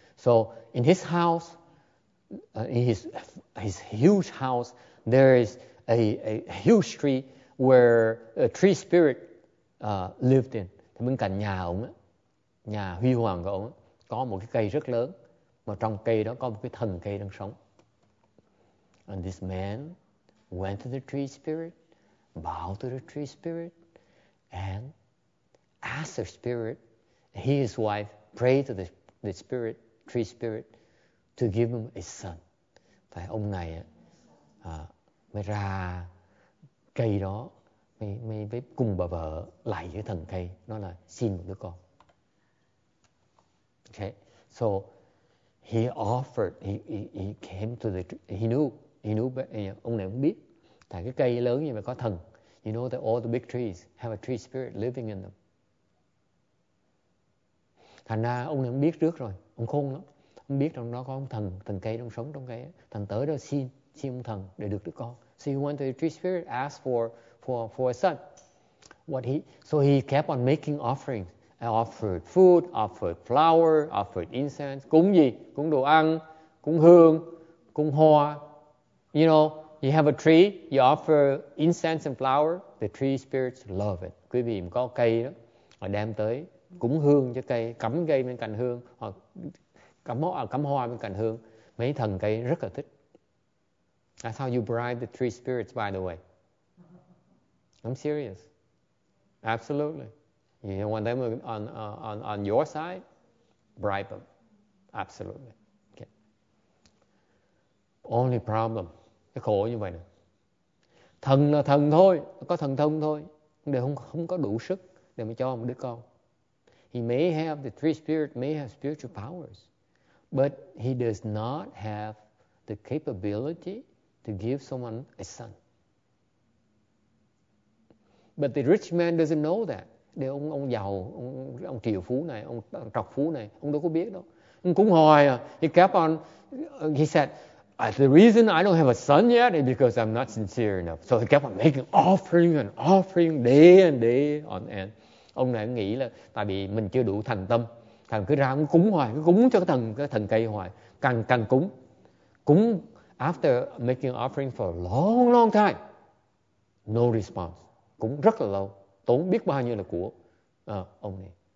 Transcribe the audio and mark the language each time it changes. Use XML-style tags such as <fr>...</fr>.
<en>So in his house, in his huge house, there is a huge tree where a tree spirit lived in.</en> <vi>Thì bên cạnh nhà ông, nhà huy hoàng của ông có một cái cây rất lớn, mà trong cây đó có một cái thần cây đang sống.</vi> <en>And this man went to the tree spirit, bowed to the tree spirit, and asked the spirit, he and his wife prayed to the spirit, tree spirit, to give him a son.</en> <vi>Tại ông này mới ra cây đó, mới cùng bà vợ lại với thần cây, nó là xin một đứa con.</vi> <en>Okay, so he offered, he came to the, he knew,</en> <vi>ông này cũng biết, tại cái cây lớn như vậy có thần.</vi> <en>You know that all the big trees have a tree spirit living in them.</en> <vi>Thành ra ông này cũng biết trước rồi, ông khôn lắm. Ông biết trong đó có ông thần, thần cây đang sống trong cây. Thần tới đó xin ông thần để được đứa con.</vi> <en>So he went to the tree spirit, asked for a son. So he kept on making offering. I offered food, offered flower, offered incense.</en> <vi>Cúng gì? Cúng đồ ăn, cúng hương, cúng hoa.</vi> <en>You know, you have a tree, you offer incense and flower, the tree spirits love it.</en> <vi>Quý vị có cây đó, họ đem tới cúng hương cho cây, cắm cây bên cạnh hương, hoặc cắm hoa bên cạnh hương. Mấy thần cây rất là thích.</vi> <en>That's how you bribe the tree spirits, by the way. I'm serious. Absolutely. You want them on your side? Bribe them. Absolutely. Okay. Only problem.</en> <vi>Cái khổ như vậy nè. Thần là thần thôi. Có thần thông thôi. Để không có đủ sức để mà cho một đứa con.</vi> <en>He may have, the tree spirit may have spiritual powers. But he does not have the capability to give someone a son. But the rich man doesn't know that.</en> <vi>Để ông giàu, ông triệu phú này, ông trọc phú này, ông đâu có biết đâu. Ông cúng hoài à.</vi> <en>He kept on, he said, the reason I don't have a son yet is because I'm not sincere enough. So he kept on making offering and offering day and day on end.</en> <vi>Ông này nghĩ là tại vì mình chưa đủ thành tâm. Thành cứ ra ông cúng hoài, cứ cúng cho cái thần cây hoài. Càng cúng. Cúng</vi> <en>after making offering for a long, long time. No response.</en> <vi>Cúng rất là lâu. Tốn biết bao nhiêu là của ông này.</vi>